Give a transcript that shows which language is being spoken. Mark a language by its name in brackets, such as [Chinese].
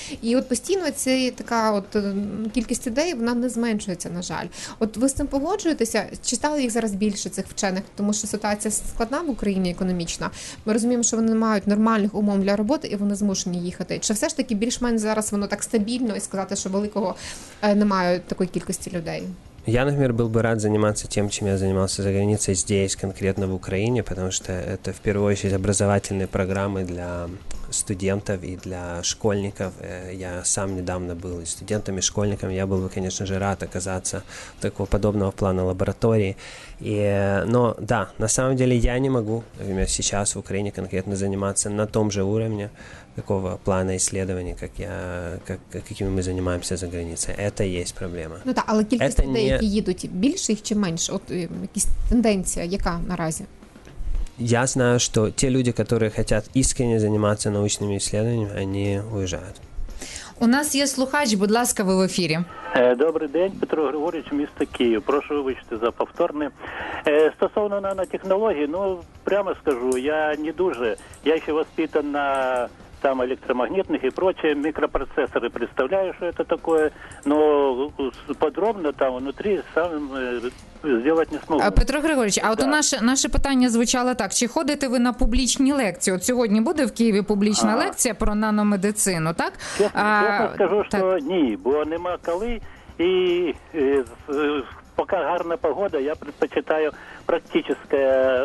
[Ukrainian] І от постійно цей така от кількість ідей, вона не зменшується, на жаль. От ви з цим погоджуєтеся? Чи стало їх зараз більше, цих вчених? Тому що ситуація складна в Україні економічна. Ми розуміємо, що вони не мають нормальних умов для роботи, і вони змушені їхати. Чи все ж таки більш-менш зараз воно так стабільно, і сказати, що великого немає такої кількості людей? [Russian] Я, например, был бы рад заниматься тем, чем я занимался за границей здесь, конкретно в Украине, потому что это в первую очередь образовательные программы для студентов и для школьников. Я сам недавно был и студентом, и школьником. Я был бы, конечно же, рад оказаться в такого подобного плана лаборатории. И, но да, на самом деле я не могу, например, сейчас в Украине конкретно заниматься на том же уровне такого плана исследований, как я, какими мы занимаемся за границей. Это есть проблема. [Ukrainian] Ну да, але кількість людей, не... які їдуть, більше їх чи менше? От якісь тенденція, яка наразі? [Russian] Я знаю, что те люди, которые хотят искренне заниматься научными исследованиями, они уезжают. [Ukrainian] У нас є слухач, будь ласка, ви в ефірі. Добрий день, Петро Григорович, місто Київ. Прошу вибачити за повторне. [Russian] Стосовно нанотехнологій, ну, прямо скажу, я не дуже, я ще воспитан на там электромагнитных и прочее, микропроцессоры, представляю, что это такое, но подробно там внутри сам сделать не смогу. Петро Григорьевич, а да. [Ukrainian] От наше питання звучало так, чи ходите ви на публічні лекції? От сьогодні буде в Києві публічна лекція про наномедицину, так? Чесно скажу, що так. Ні, бо нема коли, і поки гарна погода, я предпочитаю практическое